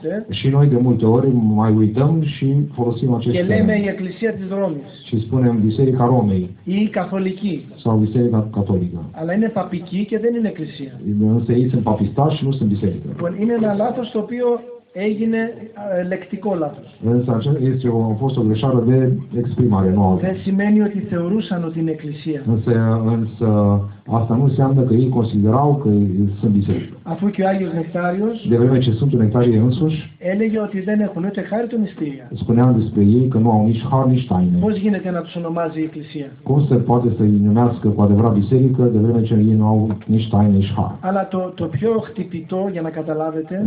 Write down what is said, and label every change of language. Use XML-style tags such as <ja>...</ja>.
<ro>Și noi de multe ori mai uităm și folosim acest term. Și spunem Biserica Romei. Ei catolici. Sau Biserica Catolică.</ro> <el>Αλλά είναι παπική και δεν είναι εκκλησία.</el> <ro>Însă ei sunt papistași și nu sunt biserică.</ro> <el>Είναι ένα λάθος το οποίο έγινε λεκτικό λάθος.</el> <ro>Δεν fost o greșeală de exprimare, nu altă.</ro> <el>Δεν σημαίνει ότι θεωρούσαν ότι είναι εκκλησία.</el> <ro>Însă Asta nu înseamnă că ei considerau că sunt biserică.</ro> <el>Αφού και ο Άγιος Νεκτάριος,</el> <ro>de vreme ce Sfântul Nectarie însuși,</ro> <el>έλεγε ότι δεν έχουν ούτε χάρη του μυστήρια.</el> <ro>Spuneam despre ei că nu au nici har, nici taine.</ro> <el>Πώς γίνεται να τους ονομάζει η Εκκλησία.</el> <ro>Cum se poate să îi numească cu adevărat biserică, de vreme ce ei nu au nici taine, nici har.</ro> <el>Αλλά το πιο χτυπητό, για να καταλάβετε,</el>